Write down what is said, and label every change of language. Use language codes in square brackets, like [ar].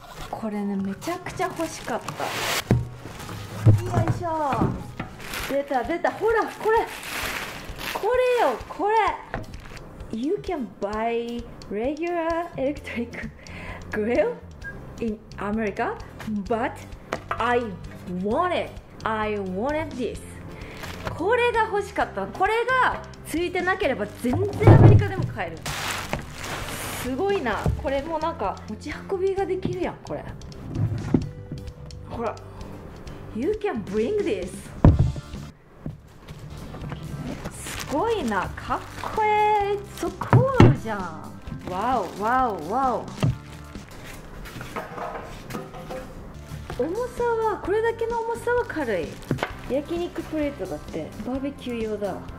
[ja] これね、めちゃくちゃ欲しかった。よいしょ、出た出た、ほらこれこれよ、これ。 [en] You can buy regular electric grill in America, but I want this. [ja] これが欲しかった。これがついてなければ全然アメリカでも買える。すごいな。これもなんか持ち運びができるやん。これほら、 [en] You can bring this. [ja] すごいな、かっこいい、そこあるじゃん。わおわおわお。重さは、これだけの重さは軽い。焼肉プレートだって、バーベキュー用だ。